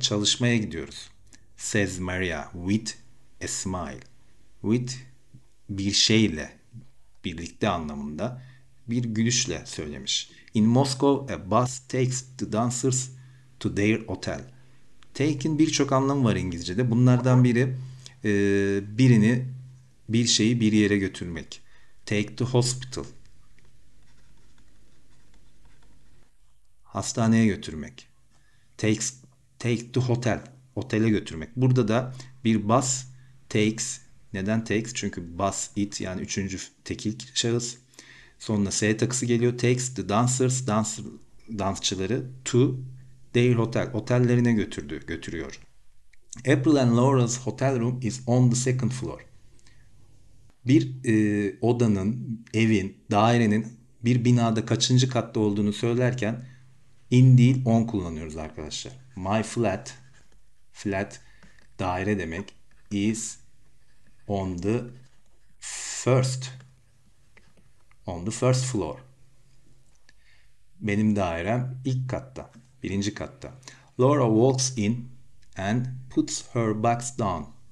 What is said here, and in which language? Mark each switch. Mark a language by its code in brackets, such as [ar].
[tr] Çalışmaya gidiyoruz. [en] Says Maria with a smile. [tr] With bir şeyle. Birlikte anlamında. Bir gülüşle söylemiş. [en] In Moscow a bus takes the dancers to their hotel. [tr] Take'in birçok anlamı var İngilizce'de. Bunlardan biri birini bir şeyi bir yere götürmek. [en] Take to hospital. [tr] Hastaneye götürmek. [en] Take to hotel. [tr] Otele götürmek. Burada da bir [en] bus takes. [tr] Neden takes? Çünkü bus it yani üçüncü tekil şahıs. Sonuna S takısı geliyor. [en] Takes the dancers, dansçıları to their hotel. [tr] Otellerine götürüyor. [en] April and Laura's hotel room is on the second floor. [tr] Bir odanın, evin, dairenin bir binada kaçıncı katta olduğunu söylerken in değil on kullanıyoruz arkadaşlar. [en] My flat, flat [tr] daire demek [en] is on the first. On the first floor. [tr] Benim dairem ilk katta. Birinci katta. [en] Laura walks in and puts her bags down.